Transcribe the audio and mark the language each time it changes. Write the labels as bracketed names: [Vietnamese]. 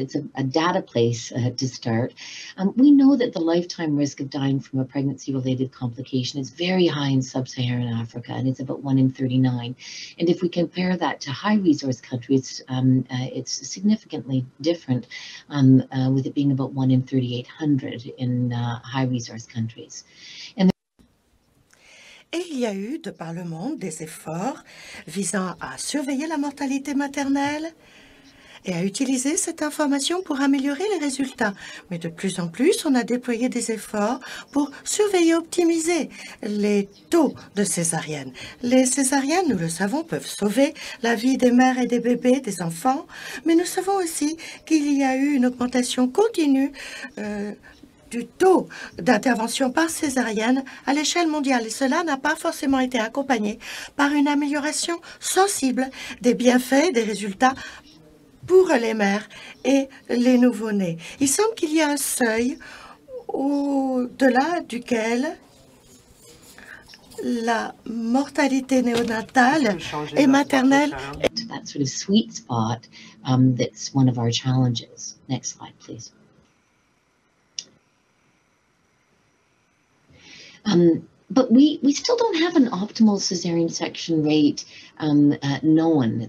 [English] It's a data place to start. We know that the lifetime risk of dying from a pregnancy-related complication is very high in sub-Saharan Africa, and it's about 1 in 39. And if we compare that to high-resource countries, it's significantly different, with it being about 1 in 3,800 in high-resource countries. [French] Et il y a eu, de par le monde, des efforts visant à surveiller la mortalité maternelle et à utiliser cette information pour améliorer les résultats. Mais de plus en plus, on a déployé des efforts pour surveiller, optimiser les taux de césariennes. Les césariennes, nous le savons, peuvent sauver la vie des mères et des bébés, des enfants, mais nous savons aussi qu'il y a eu une augmentation continue du taux d'intervention par césarienne à l'échelle mondiale. Et cela n'a pas forcément été accompagné par une amélioration sensible des bienfaits, des résultats pour les mères et les nouveau-nés. Il semble qu'il y a un seuil au-delà duquel la mortalité néonatale et maternelle. [English] To that sort of sweet spot, that's one of our challenges. Next slide, please. But we still don't have an optimal cesarean section rate known.